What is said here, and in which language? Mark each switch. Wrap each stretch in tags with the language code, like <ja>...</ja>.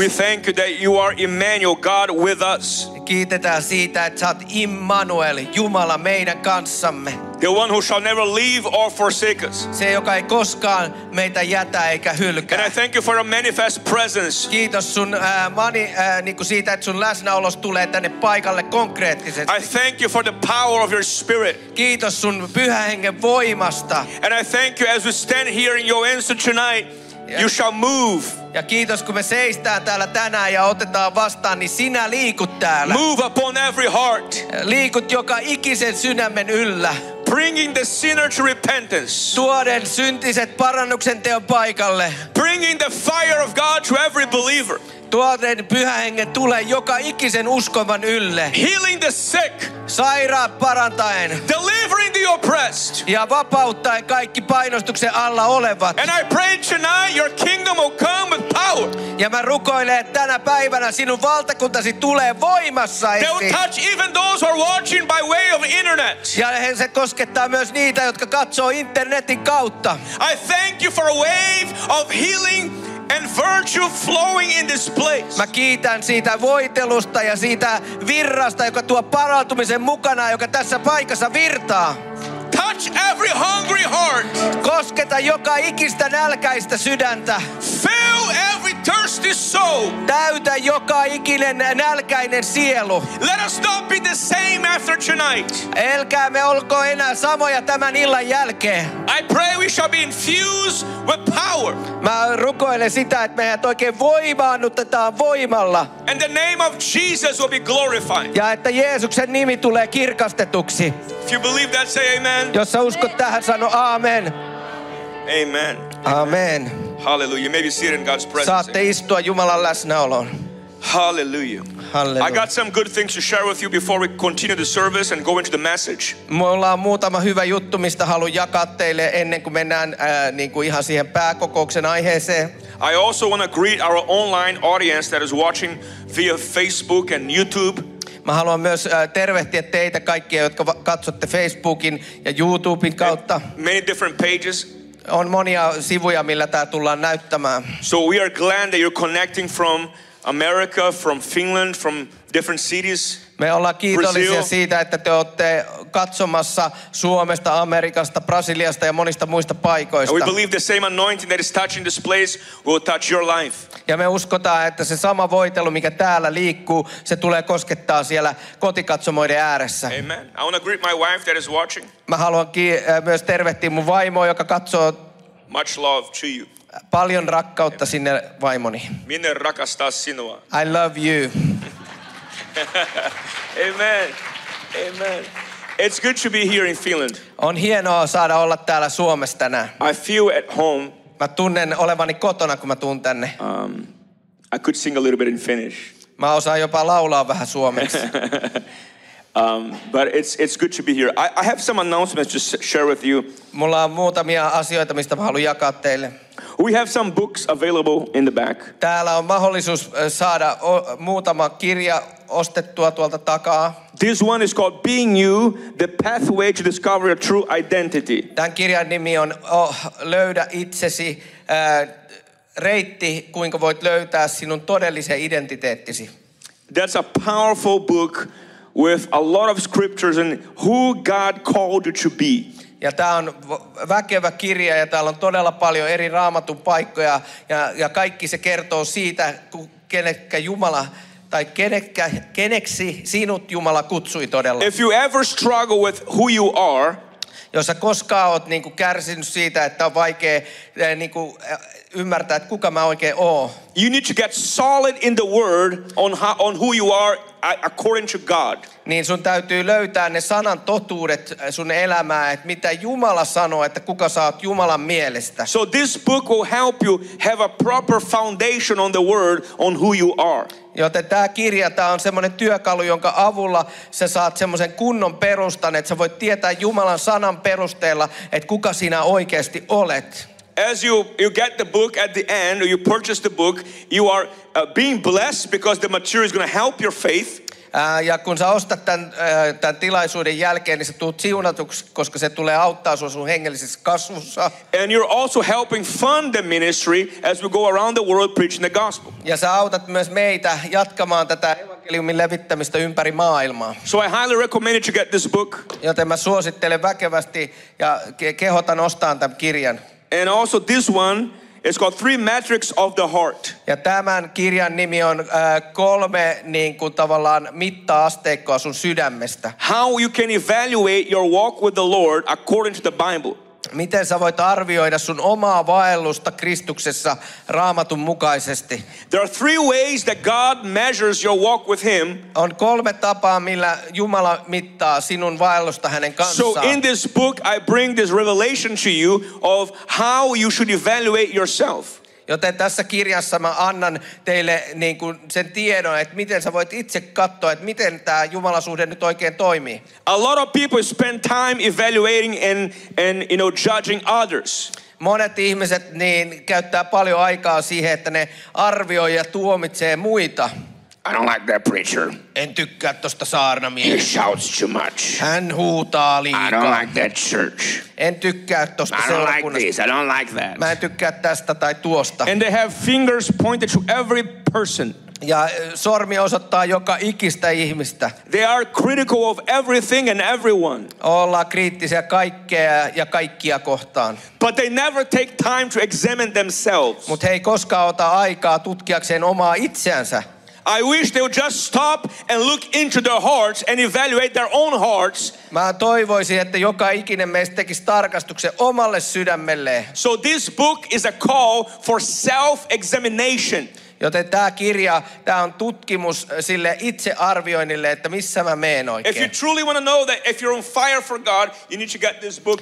<en>We thank you that you are Emmanuel, God with us.</en> <fi>Me kiitetään siitä, että sä oot Immanuel, Jumala meidän kanssamme.</fi> <en>The one who shall never leave or forsake us.</en> <fi>Se, joka ei koskaan meitä jätä eikä hylkää.</fi> <en>And I thank you for a manifest presence.</en> <fi>Kiitos sun niinku siitä, että sun läsnäolos tulee tänne paikalle konkreettisesti.</fi> <en>I thank you for the power of your spirit.</en> <fi>Kiitos sun Pyhän Hengen voimasta.</fi> <en>And I thank you as we stand here in your answer tonight. You shall move.</en> <fi>Ja kiitos, kun me seistään täällä tänään ja otetaan vastaan, niin sinä liikut täällä.</fi> <en>Move upon every heart.</en> <fi>Liikut joka ikisen sydämen yllä.</fi> <en>Bringing the sinner to repentance.</en> <fi>Tuoden syntiset parannuksen teon paikalle.</fi> <en>Bringing the fire of God to every believer.</en> <fi>Tuoden Pyhän Hengen tulee joka ikisen uskovan ylle.</fi> <en>Healing the sick.</en> <fi>Sairaat parantaen.</fi> <en>Delivering the oppressed.</en> <fi>Ja vapauttaen kaikki painostuksen alla olevat.</fi> <en>And I pray tonight your kingdom will come with power.</en> <fi>Ja mä rukoilen, että tänä päivänä sinun valtakuntasi tulee voimassa esiin.</fi> <en>They will touch even those who are watching by way of internet.</en> <fi>Ja se koskettaa myös niitä, jotka katsoo internetin kautta.</fi> <en>I thank you for a wave of healing and virtue flowing in this place.</en> <fi>Mä kiitän siitä voitelusta ja siitä virrasta, joka tuo parantumisen mukana, joka tässä paikassa virtaa.</fi> <en>Touch every hungry heart.</en> <fi>Kosketa joka ikistä nälkäistä sydäntä.</fi> <en>Fill every thirsty soul.</en> <fi>Täytä joka ikinen nälkäinen sielu.</fi> <en>Let us not be the same after tonight.</en> <fi>Älkäämme olko enää samoja tämän illan jälkeen.</fi> <en>I pray we shall be infused with power.</en> <fi>Mä rukoilen sitä, että meidät oikein voimaannutetaan voimalla.</fi> <en>And the name of Jesus will be glorified.</en> <fi>Ja että Jeesuksen nimi tulee kirkastetuksi.</fi> <en>If you believe that, say amen.</en> <fi>Jos sä uskot tähän, sano aamen.</fi> <en>Amen. Amen. Hallelujah. You may be seated in God's presence.</en> <fi>Saatte istua Jumalan läsnäoloon.</fi> <en>Hallelujah. Hallelujah. I got some good things to share with you before we continue the service and go into the message.</en> <fi>Mulla on muutama hyvä juttu, mistä haluan jakaa teille ennen kuin mennään ihan siihen pääkokouksen aiheeseen.</fi> <en>I also want to greet our online audience that is watching via Facebook and YouTube.</en> <fi>Mä haluan myös tervehtiä teitä kaikkia, jotka katsotte Facebookin ja YouTuben kautta.</fi> <en>Many different pages.</en> <fi>On monia sivuja, millä tää tullaan näyttämään.</fi> <en>So we are glad that you're connecting from America, from Finland, from different cities.</en> <fi>Me ollaan kiitollisia Brazil. Siitä, että te olette katsomassa Suomesta, Amerikasta, Brasiliasta ja monista muista paikoista.</fi> <en>And we believe the same anointing that is touching this place will touch your life.</en> <fi>Ja me uskotaan, että se sama voitelu, mikä täällä liikkuu, se tulee koskettaa siellä kotikatsomoiden ääressä.</fi> <en>Amen. I want to greet my wife that is watching.</en> <fi>Mä haluan myös tervehtiä mun vaimoa, joka katsoo.</fi> <en>Much love to you.</en> <fi>Paljon rakkautta sinne vaimoni. Minä rakastan sinua.</fi> <en>I love you. Amen. Amen. It's good to be here in Finland.</en> <fi>On hienoa saada olla täällä Suomessa tänään.</fi> <en>I feel at home.</en> <fi>Mä tunnen olevani kotona, kun mä tuun tänne.</fi> <en>I could sing a little bit in Finnish.</en> <fi>Mä osaan jopa laulaa vähän suomeksi.</fi> <en>But it's good to be here. I have some announcements to share with you.</en> <fi>Mulla on muutamia asioita, mistä mä haluan jakaa teille.</fi> <en>We have some books available in the back.</en> <fi>Täällä on mahdollisuus saada muutama kirja ostettua tuolta takaa.</fi> <en>This one is called Being You, The Pathway to Discover Your True Identity.</en> <fi>Tämän kirjan nimi on Löydä itsesi, reitti, kuinka voit löytää sinun todellisen identiteettisi.</fi> <en>That's a powerful book with a lot of scriptures and who God called you to be.</en> <fi>Ja tää on väkevä kirja ja täällä on todella paljon eri raamatun paikkoja ja kaikki se kertoo siitä, kenekä Jumala tai keneksi sinut Jumala kutsui todella.</fi> <en>If you ever struggle with who you are,</en> <fi>jos sä koskaan oot niinku kärsinyt siitä, että on vaikea niinku ymmärtää, että kuka mä oikein oon.</fi> <en>You need to get solid in the word on how, on who you are according to God.</en> <fi>Niin sun täytyy löytää ne sanan totuudet sun elämään, että mitä Jumala sanoo, että kuka sä oot Jumalan mielestä.</fi> <en>So this book will help you have a proper foundation on the word on who you are.</en> <fi>Joten tää kirja, tää on semmonen työkalu, jonka avulla sä saat semmosen kunnon perustan, että sä voit tietää Jumalan sanan perusteella, että kuka sinä oikeasti olet.</fi> <en>As you get the book at the end, or you purchase the book, you are being blessed because the material is going to help your faith.</en> <fi>Ja kun sä ostat tämän tilaisuuden jälkeen, niin sä tuut siunatuksi, koska se tulee auttaa sun hengellisessä kasvussa.</fi> <en>And you're also helping fund the ministry as we go around the world preaching the gospel.</en> <fi>Ja sä autat myös meitä jatkamaan tätä evankeliumin levittämistä ympäri maailmaa.</fi> <en>So I highly recommend you get this book.</en> <fi>Joten mä suosittelen väkevästi ja kehotan ostamaan tämän kirjan.</fi> <en>And also this one is called Three Metrics of the Heart.</en> <fi>Ja tämän kirjan nimi on kolme niin kuin tavallaan mitta-asteikkoa sun sydämestä.</fi> <en>How you can evaluate your walk with the Lord according to the Bible.</en> <fi>Miten sä voit arvioida sun omaa vaellusta Kristuksessa Raamatun mukaisesti?</fi> <en>There are three ways that God measures your walk with him.</en> <fi>On kolme tapaa, millä Jumala mittaa sinun vaellusta hänen kanssaan.</fi> <en>So in this book I bring this revelation to you of how you should evaluate yourself.</en> <fi>Joten tässä kirjassa mä annan teille niin kuin sen tiedon, että miten sä voit itse katsoa, että miten tämä jumalasuhde nyt oikein toimii.</fi> <en>A lot of people spend time evaluating and you know judging others.</en> <fi>Monet ihmiset niin käyttää paljon aikaa siihen, että ne arvioi ja tuomitsee muita.</fi> <en>I don't like that preacher.</en> <fi>En tykkää tosta saarnamiehestä.</fi> <en>He shouts too much.</en> <fi>Hän huutaa liikaa.</fi> <en>I don't like that church.</en> <fi>En tykkää tosta seurakunnasta.</fi> <en>I don't like this. I don't like that.</en> <fi>Mä en tykkää tästä tai tuosta.</fi> <en>And they have fingers pointed to every person.</en> <fi>Ja sormi osoittaa joka ikistä ihmistä.</fi> <en>They are critical of everything and everyone.</en> <fi>Ollaan kriittisiä kaikkea ja kaikkia kohtaan.</fi> <en>But they never take time to examine themselves.</en> <fi>Mut he ei koskaan ota aikaa tutkiakseen omaa itseänsä.</fi> <en>I wish they would just stop and look into their hearts and evaluate their own hearts.</en> <fi>Mä toivoisin, että joka ikinen meistä tekisi tarkastuksen omalle sydämelle.</fi> <en>So this book is a call for self-examination.</en> <fi>Joten tämä kirja, tämä on tutkimus sille itsearvioinnille, että missä mä meen oikein.</fi> <en>If you truly want to know that if you're on fire for God, you need to get this book.</en>